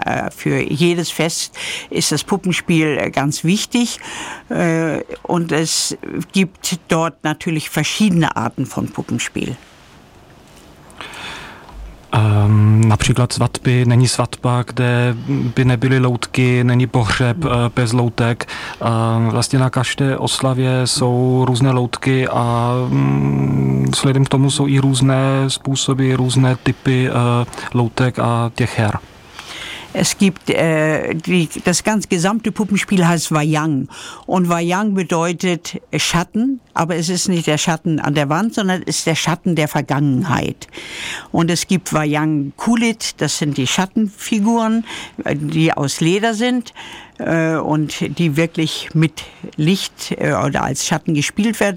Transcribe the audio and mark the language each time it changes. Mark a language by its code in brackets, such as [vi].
[de] Für jedes Fest ist das Puppenspiel ganz wichtig. Und es gibt dort natürlich verschiedene Arten von Puppenspiel. [cs] Například svatby, není svatba, kde by nebyly loutky, není pohřeb bez loutek. Vlastně na každé oslavě jsou různé loutky a vzhledem k tomu jsou i různé způsoby, různé typy loutek a těch her. [de] Es gibt das ganz gesamte Puppenspiel heißt Wayang, und Wayang bedeutet Schatten, aber es ist nicht der Schatten an der Wand, sondern es ist der Schatten der Vergangenheit. Und es gibt Wayang Kulit, das sind die Schattenfiguren, die aus Leder sind und die wirklich mit Licht oder als Schatten gespielt werden.